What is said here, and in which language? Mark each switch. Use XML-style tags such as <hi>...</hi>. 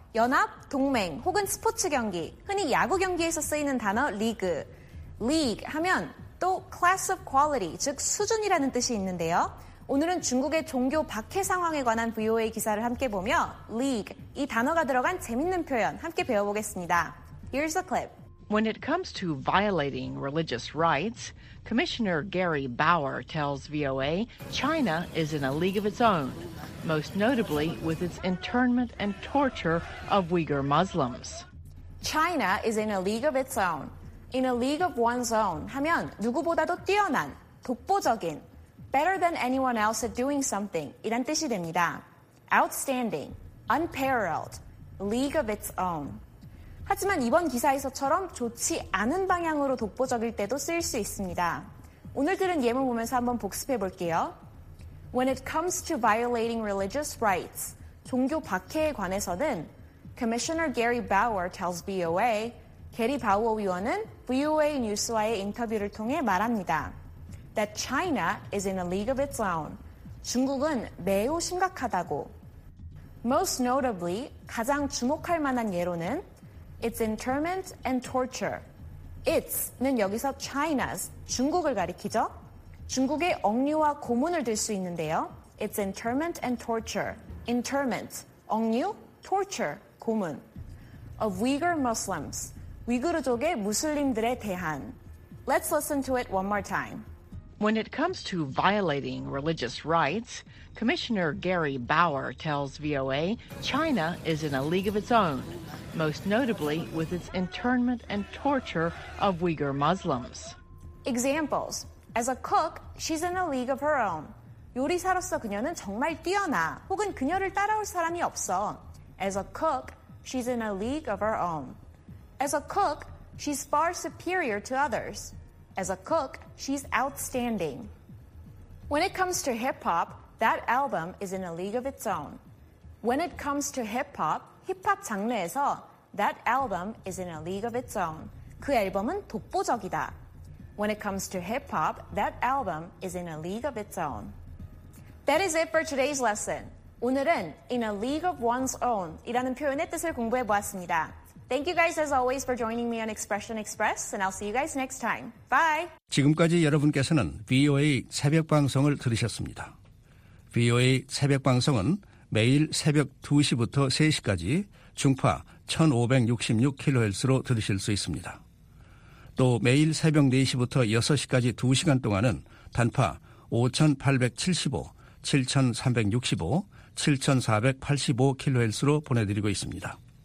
<ko>연합, 동맹 혹은 스포츠 경기, 흔히 야구 경기에서 쓰이는 단어 리그. League 하면 또</ko> <en>class of quality,</en> <ko>즉 수준이라는 뜻이 있는데요. 오늘은 중국의 종교 박해 상황에 관한 VOA 기사를 함께 보며 League, 이 단어가 들어간 재밌는 표현 함께 배워보겠습니다.</ko> <en>Here's the clip. When it comes to violating religious rights, Commissioner Gary Bauer tells VOA China is in a league of its own, most notably with its internment and torture of Uyghur Muslims. China is in a league of its own. In a league of one's own</en> <ko>하면 누구보다도 뛰어난, 독보적인,</ko> <en>better than anyone else at doing something,</en> <ko>이란 뜻이 됩니다.</ko> <en>Outstanding, unparalleled, league of its own.</en> <ko>하지만 이번 기사에서처럼 좋지 않은 방향으로 독보적일 때도 쓰일 수 있습니다. 오늘 들은 예문 보면서 한번 복습해 볼게요.</ko> <en>When it comes to violating religious rights,</en> <ko>종교 박해에 관해서는</ko> <en>Commissioner Gary Bauer tells VOA,</en> <ko>게리 바우어 위원은 VOA 뉴스와의 인터뷰를 통해 말합니다.</ko> <en>That China is in a league of its own.</en> <ko>중국은 매우 심각하다고.</ko> <en>Most notably,</en> <ko>가장 주목할 만한 예로는</ko> <en>its internment and torture.</en> <ko>its는 여기서 China's, 중국을 가리키죠. 중국의 억류와 고문을 들 수 있는데요.</ko> <en>its internment and torture. internment, 억류, torture, 고문. of Uyghur Muslims,</en> <ko>위구르족의 무슬림들에 대한.</ko> <en>Let's listen to it one more time. When it comes to violating religious rights, Commissioner Gary Bauer tells VOA China is in a league of its own, most notably with its internment and torture of Uyghur Muslims. Examples. As a cook, she's in a league of her own.</en> <ko>요리사로서 그녀는 정말 뛰어나, 혹은 그녀를 따라올 사람이 없어.</ko> <en>As a cook, she's in a league of her own. As a cook, she's far superior to others. As a cook, she's outstanding. When it comes to hip-hop, that album is in a league of its own. When it comes to hip-hop,</en> <ko>힙합 장르에서</ko> <en>that album is in a league of its own.</en> <ko>그 앨범은 독보적이다.</ko> <en>When it comes to hip-hop, that album is in a league of its own. That is it for today's lesson.</en> <ko>오늘은</ko> <en>in a league of one's own</en> <ko>이라는 표현의 뜻을 공부해 보았습니다.</ko> <en>Thank you guys as always for joining me on Expression Express, and I'll see you guys next time. Bye!</en> <ko>지금까지 여러분께서는 VOA 새벽 방송을 들으셨습니다. VOA 새벽 방송은 매일 새벽 2시부터 3시까지 중파 1566kHz로 들으실 수 있습니다. 또 매일 새벽 4시부터 6시까지 2시간 동안은 단파 5875, 7365, 7485kHz로 보내드리고 있습니다.</ko>